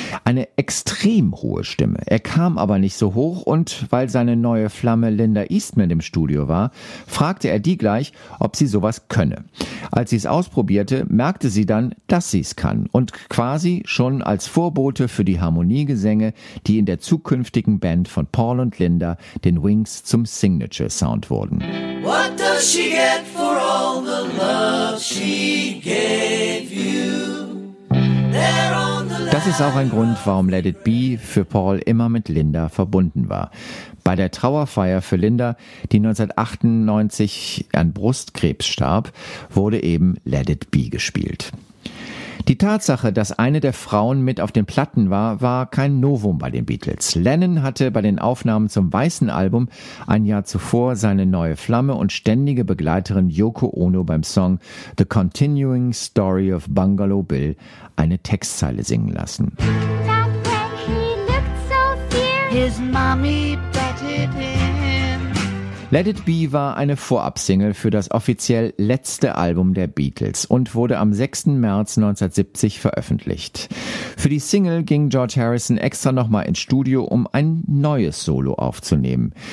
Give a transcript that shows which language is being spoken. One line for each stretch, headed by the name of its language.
German: Eine extrem hohe Stimme. Er kam aber nicht so hoch und weil seine neue Flamme Linda Eastman im Studio war, fragte er die gleich, ob sie sowas könne. Als sie es ausprobierte, merkte sie dann, dass sie es kann und quasi schon als Vorbote für die Harmoniegesänge, die in der zukünftigen Band von Paul und Linda, den Wings, zum Signature-Sound wurden.
English: What does she get for all the love she gave you?
German: Das ist auch ein Grund, warum Let It Be für Paul immer mit Linda verbunden war. Bei der Trauerfeier für Linda, die 1998 an Brustkrebs starb, wurde eben Let It Be gespielt. Die Tatsache, dass eine der Frauen mit auf den Platten war, war kein Novum bei den Beatles. Lennon hatte bei den Aufnahmen zum Weißen Album ein Jahr zuvor seine neue Flamme und ständige Begleiterin Yoko Ono beim Song The Continuing Story of Bungalow Bill eine Textzeile singen lassen.
English: That day he looked so fierce. His mommy petted him.
German: Let It Be war eine Vorabsingle für das offiziell letzte Album der Beatles und wurde am 6. März 1970 veröffentlicht. Für die Single ging George Harrison extra nochmal ins Studio, um ein neues Solo aufzunehmen.